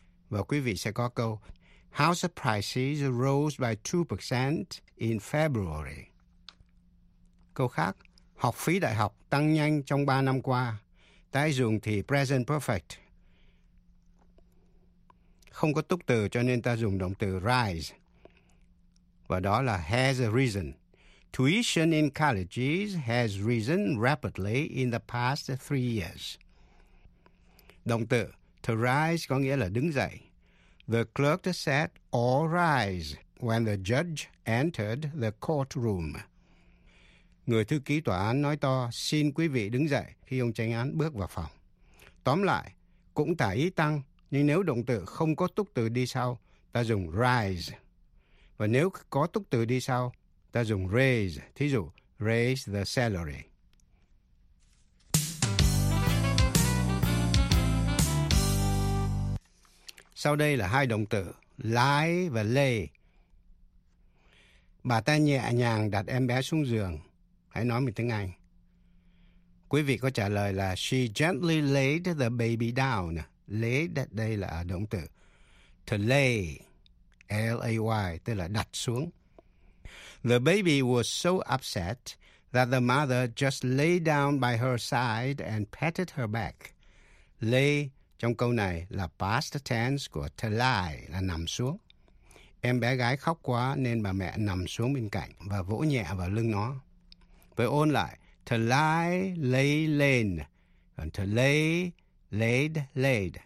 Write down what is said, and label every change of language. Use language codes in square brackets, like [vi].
[vi] Và quý vị sẽ có câu [en] house prices rose by 2% in February. [vi] Câu khác, học phí đại học tăng nhanh trong 3 năm qua. Tái dùng thì present perfect. Không có túc từ cho nên ta dùng động từ rise. Và đó là has risen. [en] Tuition in colleges has risen rapidly in the past 3 years. [vi] Động từ to rise có nghĩa là đứng dậy. [en] The clerk said all rise when the judge entered the courtroom. [vi] Người thư ký tòa án nói to xin quý vị đứng dậy khi ông chánh án bước vào phòng. Tóm lại, cũng tả ý tăng, nhưng nếu động từ không có túc từ đi sau, ta dùng rise. Và nếu có túc từ đi sau, ta dùng raise, thí dụ [en] raise the salary. [vi] Sau đây là hai động từ lie và lay. Bà ta nhẹ nhàng đặt em bé xuống giường. Hãy nói mình tiếng Anh. Quý vị có trả lời là [en] she gently laid the baby down. [vi] Laid đây là động từ. To lay, L-A-Y, tức là đặt xuống. [en] The baby was so upset that the mother just lay down by her side and patted her back. [vi] Lay trong câu này là past tense của to lie, là nằm xuống. Em bé gái khóc quá nên bà mẹ nằm xuống bên cạnh và vỗ nhẹ vào lưng nó. Với ôn lại, to lie, lay, lain. Còn to lay, laid, laid.